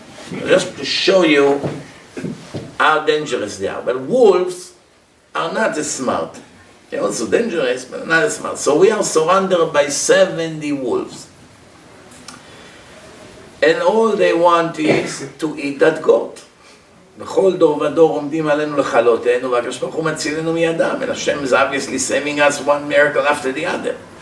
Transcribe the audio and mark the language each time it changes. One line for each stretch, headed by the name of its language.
English: Just to show you how dangerous they are. But wolves are not as smart. They're also dangerous, but not as smart. So we are surrounded by 70 wolves. And all they want is to eat that goat.
Hebrew: בכל דור ודור עומדים עלינו לחלותינו, והקדוש ברוך הוא מצילנו מידם.
English: And Hashem is obviously saving us one miracle after the other.